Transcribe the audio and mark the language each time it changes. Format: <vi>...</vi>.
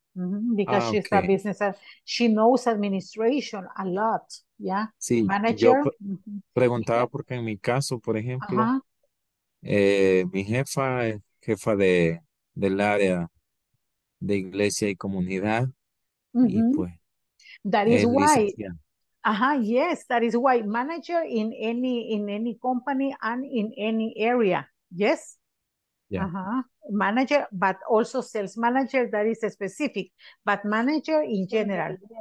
<en>Because she's okay. A business that she knows administration a lot. Yeah.</en> <es>Sí, manager. Yo preguntaba porque en mi caso, por ejemplo, mi jefa es jefa del área de iglesia y comunidad.</es> <en>That is why. Yes, that is why manager in any company and in any area. Yes. Yeah. Manager, but also sales manager, that is specific, but manager in general.</en>